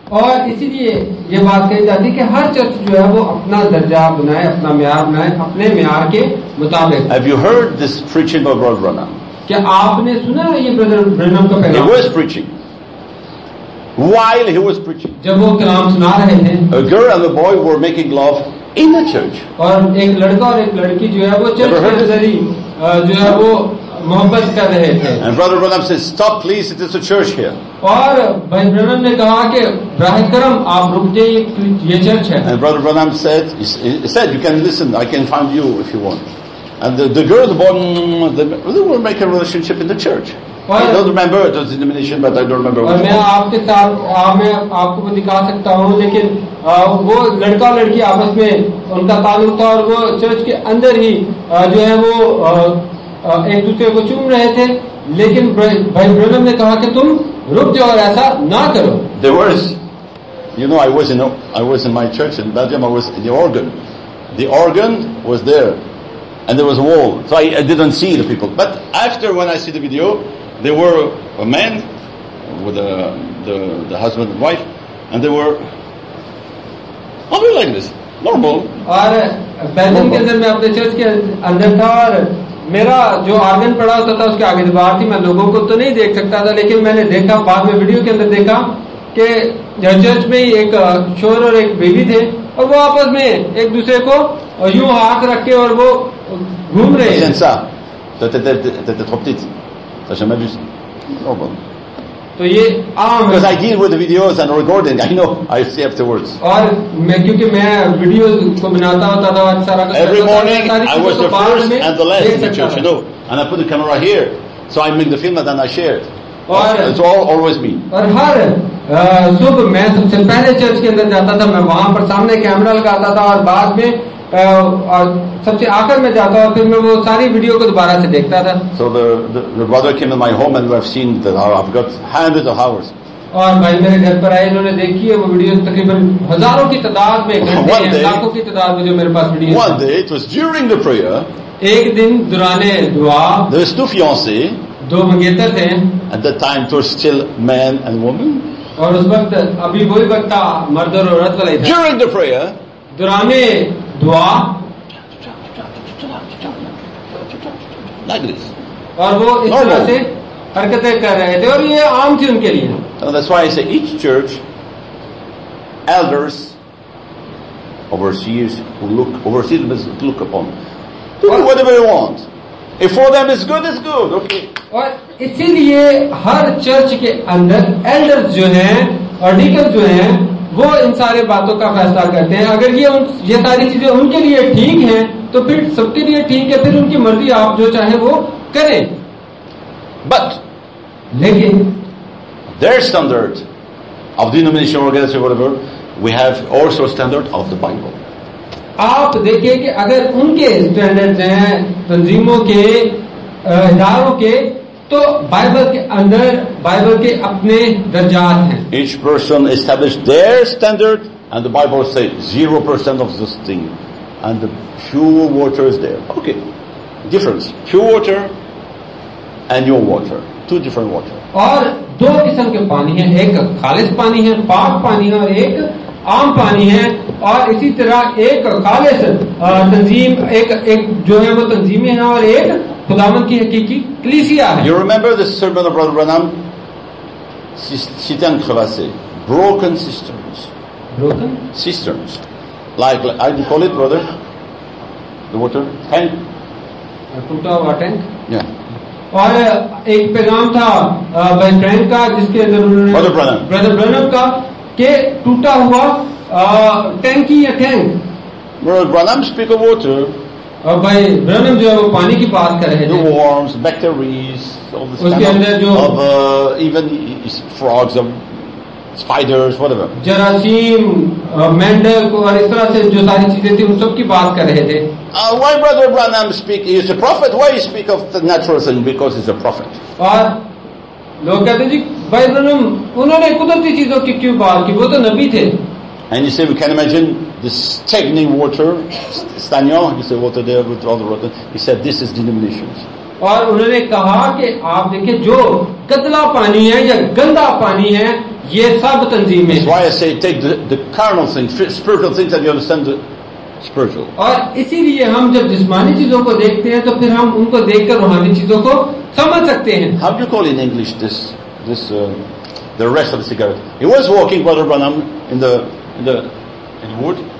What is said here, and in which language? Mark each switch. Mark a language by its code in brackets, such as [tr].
[hi] और इसीलिए ये बात कही जाती है कि हर चर्च जो है वो अपना दर्जा बनाए, अपना मियार बनाए, अपने मियार के मुताबिक. [en] Have you heard this preaching of Brother Branham? [hi] क्या आपने सुना है ये ब्रदर ब्रैनम का पैगाम? [en] He was preaching. While he was preaching, [hi] जब वो कलाम सुना रहे थे, [en] a girl and a boy were making love in the church. [hi] और एक लड़का और एक लड़की जो है वो चर्च के अंदर ही जो है वो मोहब्बत कर रहे थे. [en] And Brother Branham said, "Stop, please. It is a church here." [hi] और भाई ब्रैनम ने कहा कि ब्राह्मण कर्म आप रुक जाइए, ये चर्च है. [en] And Brother Branham said, "You can listen. I can find you if you want." And the girl, the boy, they were making a relationship in the church. I don't remember the denomination, but I don't remember. [hi] और मैं आपके साथ मैं आपको दिखा सकता हूँ, लेकिन वो लड़का और लड़की आपस में उनका ताल्लुक था और वो चर्च के अंदर ही जो है वो एक दूसरे को चूम रहे थे, लेकिन भाई ब्रैनम ने कहा कि तुम रुक जाओ और ऐसा ना करो. [en] There was, I was in my church in Belgium. I was in the organ. The organ was there, and there was a wall, so I didn't see the people. But after when I see the video. There were a man with the husband and wife, and they were probably like this, normal. [hi] और बैलन के अंदर मैं अपने church के अंदर था और मेरा जो आर्गन पड़ा होता था उसके आगे दीवार थी, मैं लोगों को तो नहीं देख सकता था, लेकिन मैंने देखा बाद में वीडियो के अंदर देखा कि चर्च में ही एक शोर और एक बेबी थे और वो आपस में एक दूसरे को यूं हाथ रख के और वो घूम रहे हैं. तो ये आम [en] Because I deal with videos and recording, I know, I see afterwards. [hi] और मैं क्योंकि मैं videos को बनाता होता था सारा का. [en] Every morning I was the first and the last in the church, you know, and I put the camera here, so I make the film and then I share it. It's all always me. [hi] सुबह मैं सबसे पहले church के अंदर जाता था, मैं वहां पर सामने कैमरा लगाता था, और बाद में सबसे आखिर में जाता था, फिर मैं वो सारी वीडियो को दोबारा से देखता था. [en] So the brother came in my home and we've seen that I've got hundreds of hours. [hi] और भाई मेरे घर पर आए, इन्होंने देखी है वो वीडियो तकरीबन हजारों की तादाद में, घंटे लाखों की तादाद में जो मेरे पास video. [en] One day it was during the prayer. [hi] एक दिन दुराने दुआ. [en] There was two fiancés. [hi] दो मंगेतर थे. [en] At that time it was still man and woman. [hi] और उस वक्त अभी वही वक्त मर्द और औरत वाला था. [en] During the prayer, [hi] दुराने दुआ, [en] like this. [hi] और वो इस तरह से हरकतें कर रहे थे, और ये आम थी उनके लिए. [en] And that's why I say each church elders, overseers who look overseers look upon. Do whatever you want. If for them it's good, okay. [hi] और इसीलिए हर चर्च के अंदर एल्डर्स जो हैं और डीकन जो हैं वो इन सारे बातों का फैसला करते हैं. अगर ये सारी चीजें उनके लिए ठीक हैं तो फिर सबके लिए ठीक है, फिर उनकी मर्जी आप जो चाहे वो करें. [en] but [hi] लेकिन [en] There standard of denomination organisation whatever we have also standard of the Bible. [hi] आप देखिए कि अगर उनके स्टैंडर्ड हैं तंजीमों के इदारों के, तो बाइबल के अंदर बाइबल के अपने दर्जात हैं. [en] Each person established their standard and the Bible says 0% of this thing and the pure water is there. Okay, difference. Pure water and your water. Two different water. [hi] और दो किस्म के पानी हैं, एक खालिस पानी है, पाक पानी है, और एक आम पानी है. और इसी तरह एक खालिस तंजीम, एक जो है वो तंजीमें हैं, और एक खुदावन की हकीकी कलीसिया है. [en] You remember the sermon of Brother Branham? [fr] Cisterns crevassées, [en] broken cisterns. Broken? Cisterns. Like I call it, brother, the water tank. [hi] टूटा हुआ टैंक. [en] Yeah. [hi] और एक पैगाम था भाई ब्रैनम का, जिसके अंदर उन्होंने [en] brother Branum [hi] का के टूटा हुआ टैंकी या tank. [en] Brother Branum speak of water. [hi] और भाई ब्रैनम जो है वो पानी की बात कर रहे थे. [en] worms, bacterias, [hi] उसके अंदर जो [en] even frogs, spiders, whatever, [hi] जरासीम, मेंढक, और इस तरह से जो सारी चीजें थी उन सब की बात कर रहे थे. [en] Why Brother Branham speak? He is a prophet. Why he speak of the natural thing? Because he's a prophet. [hi] और लोग कहते जी भाई ब्रैनम उन्होंने कुदरती चीजों की क्यों बात की, वो तो नबी थे. [en] And you say we can imagine this stagnant water, stagnant. You say water there with all the water. He said this is denominations. [hi] और उन्होंने कहा कि आप देखिए जो गंदा पानी है या गंदा पानी है ये सब तंजीमें. [en] Why I say take the carnal things, spiritual things, and you understand the spiritual. [hi] और इसीलिए हम जब जिस्मानी चीजों को देखते हैं तो फिर हम उनको देखकर रूहानी चीजों को समझ सकते हैं. [en] How do you call in English this the rest of the cigarette? He was walking, Brother Branham, in the wood.